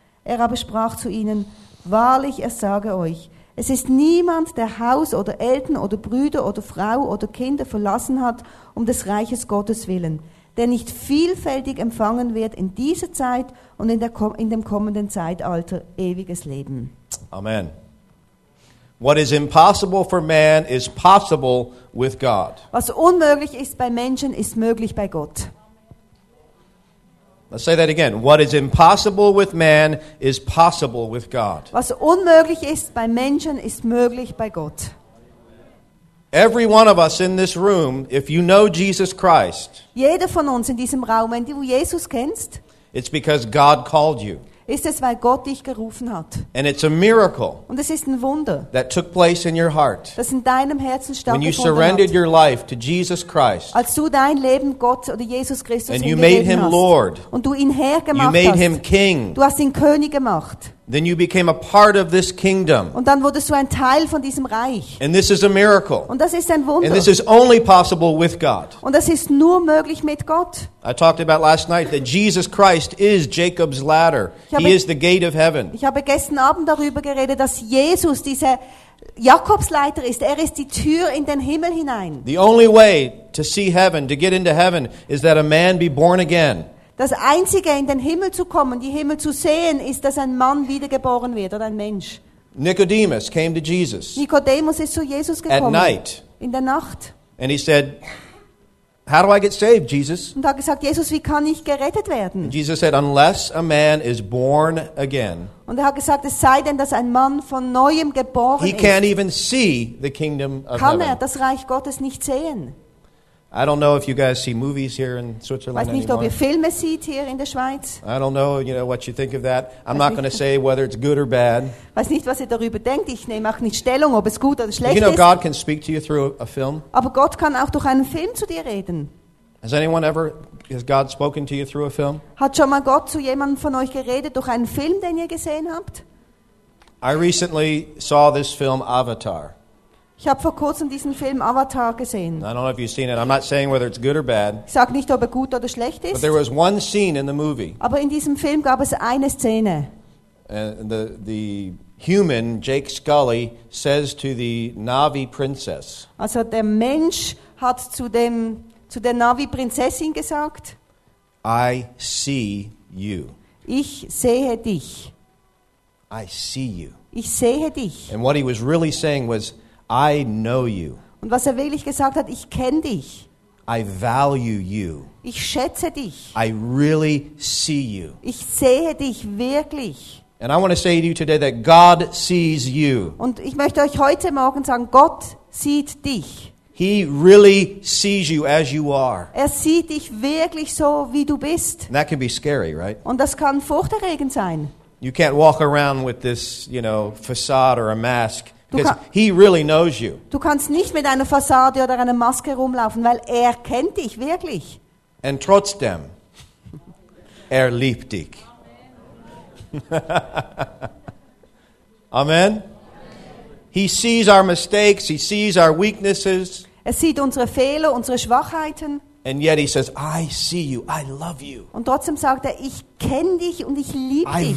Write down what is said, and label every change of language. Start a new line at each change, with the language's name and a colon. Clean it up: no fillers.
German: Er aber sprach zu ihnen: Wahrlich, ich sage euch, es ist niemand, der Haus oder Eltern oder Brüder oder Frau oder Kinder verlassen hat, um des Reiches Gottes willen, der nicht vielfältig empfangen wird in dieser Zeit und in dem kommenden Zeitalter ewiges Leben. Amen.
English: What is impossible for man is possible with God.
German: Was unmöglich ist bei Menschen, ist möglich bei Gott.
English: Let's say that again. What is impossible with man is possible with God.
German: Was unmöglich ist bei Menschen, ist möglich bei Gott.
English: Every one of us in this room, if you know Jesus Christ.
German: Jeder von uns in diesem Raum, wenn du Jesus kennst.
English: It's because God called you.
German: Ist es, weil Gott dich gerufen hat.
English: And it's a miracle.
German: Und es ist ein Wunder.
English: That took place in your heart.
German: Das in deinem Herzen stattgefunden hat.
English: When you surrendered your life to Jesus Christ.
German: Als du dein Leben Gott oder Jesus Christus hingegeben hast.
English: And you made him Lord.
German: Und du ihn Herr gemacht hast.
English: You made him King.
German: Du hast ihn König gemacht.
English: Then you became a part of this kingdom.
German: Und dann wurdest du ein Teil von diesem Reich.
English: And this is a miracle.
German: Und das ist ein Wunder.
English: And this is only possible with God.
German: Und das ist nur möglich mit Gott.
English: I talked about last night that Jesus Christ is Jacob's ladder. He is the gate of heaven.
German: Ich habe gestern Abend darüber geredet, dass Jesus diese Jakobsleiter ist. Er ist die Tür in den Himmel hinein.
English: The only way to see heaven, to get into heaven, is that a man be born again.
German: Das Einzige, in den Himmel zu kommen, die Himmel zu sehen, ist, dass ein Mann wiedergeboren wird oder ein Mensch.
English: Nicodemus came to Jesus.
German: Nikodemus ist zu Jesus gekommen.
English: At night.
German: In der Nacht.
English: And he said, "How do I get saved, Jesus?"
German: Und hat gesagt: Jesus, wie kann ich gerettet werden?
English: And Jesus said, "Unless a man is born again."
German: Und hat gesagt: Es sei denn, dass ein Mann von neuem geboren ist.
English: He can't even see the kingdom of heaven.
German: Kann er das Reich Gottes nicht sehen?
English: I don't know if you guys see movies here in Switzerland.
German: Weiß nicht,
English: anymore.
German: Ob ihr Filme seht hier in der Schweiz.
English: I don't know, you know, what you think of that. I'm not going to say whether it's good or bad.
German: Weiß nicht, was ihr darüber denkt. Ich nehme auch nicht Stellung, ob es gut oder schlecht ist.
English: You know, God can speak to you through a film.
German: Aber Gott kann auch durch einen Film zu dir reden.
English: Has God spoken to you through a film?
German: Hat schon mal Gott zu jemandem von euch geredet durch einen Film, den ihr gesehen habt?
English: I recently saw this film Avatar.
German: Ich habe vor kurzem diesen Film Avatar gesehen.
English: I don't know if you've seen it. I'm not saying whether it's good or bad.
German: Ich sag nicht, ob er gut oder schlecht ist.
English: But there was one scene in the movie.
German: Aber in diesem Film gab es eine Szene.
English: The human Jake Scully says to the Navi princess.
German: Also der Mensch hat zu der Navi Prinzessin gesagt.
English: I see you.
German: Ich sehe dich.
English: I see you.
German: Ich sehe dich.
English: And what he was really saying was, I know you.
German: Und was er wirklich gesagt hat, ich kenne dich.
English: I value you.
German: Ich schätze dich.
English: I really see you.
German: Ich sehe dich wirklich.
English: And I want to say to you today that God sees you.
German: Und ich möchte euch heute Morgen sagen, Gott sieht dich.
English: He really sees you as you are.
German: Er sieht dich wirklich so, wie du bist.
English: And that can be scary, right?
German: Und das kann furchterregend sein.
English: You can't walk around with this, you know, facade or a mask. Because he really knows you.
German: Du kannst nicht mit einer Fassade oder einer Maske rumlaufen, weil er kennt dich wirklich.
English: And
German: trotzdem, er liebt dich.
English: Amen. Amen. He sees our mistakes, he sees our weaknesses.
German: Er sieht unsere Fehler, unsere Schwachheiten.
English: And yet he says, I see you, I love you.
German: Und trotzdem sagt er, ich kenne dich und ich liebe dich.